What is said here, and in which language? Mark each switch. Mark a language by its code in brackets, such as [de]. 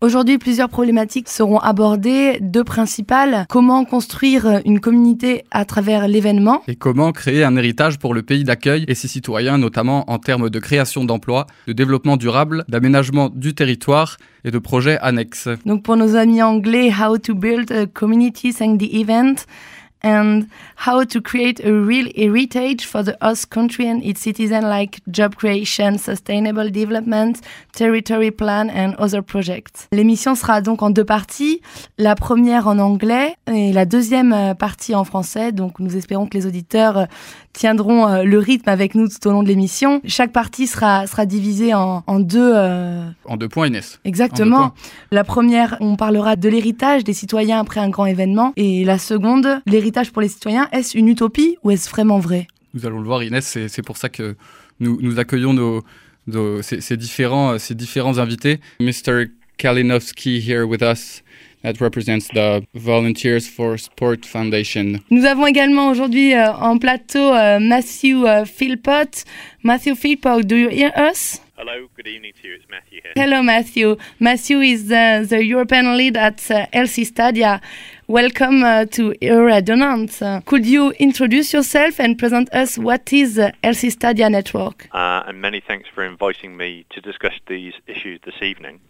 [fr] Aujourd'hui, plusieurs problématiques seront abordées, deux principales: comment construire une communauté à travers l'événement, et comment créer un héritage pour le pays d'accueil et ses citoyens, notamment en termes de création d'emplois, de développement durable, d'aménagement du territoire et de projets annexes. Donc pour nos amis anglais, [en] how to build a community thanks the event and how to create a real heritage for the host country and its citizens, like job creation, sustainable development, territory plan and other projects. [fr] L'émission sera donc en deux parties, la première en anglais et la deuxième partie en français. Donc nous espérons que les auditeurs tiendront le rythme avec nous tout au long de l'émission. Chaque partie sera divisée en deux points, Inès. Exactement. La première, on parlera de l'héritage des citoyens après un grand événement. Et la seconde, l'héritage pour les citoyens, est-ce une utopie ou est-ce vraiment vrai ? Nous allons le voir, Inès. C'est pour ça que nous accueillons ces différents invités. [en] Mr. Kalinowski here with us. That represents the Volunteers for Sport Foundation. [fr] Nous avons également aujourd'hui en plateau Matthew Philpott. [en] Matthew Philpott, do you hear us? Hello, good evening to you. It's Matthew here. Hello, Matthew. Matthew is the European lead at LC Stadia. Welcome to Euradio Nantes. Could you introduce yourself and present us what is LC Stadia Network? And many thanks for inviting me to discuss these issues this evening.